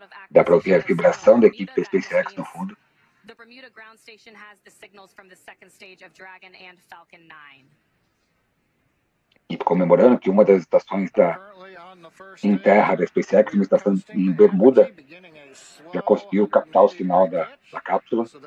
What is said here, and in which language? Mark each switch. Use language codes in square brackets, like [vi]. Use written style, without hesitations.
[pt] Dá para ouvir a vibração da equipe SpaceX no fundo. [en] The Bermuda ground station has the signals from the second stage of Dragon and Falcon 9. [pt] E comemorando que uma das estações da em terra da SpaceX, uma estação em Bermuda, já conseguiu captar o sinal da cápsula.